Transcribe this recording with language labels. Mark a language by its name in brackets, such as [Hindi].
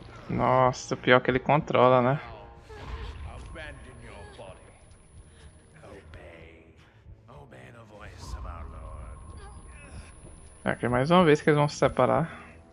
[Portuguese] Nossa, o pior é que ele controla, né? [English] Abandon your body. Obey. Obey the voice of our lord. [Portuguese] É que mais uma vez que eles vão se separar.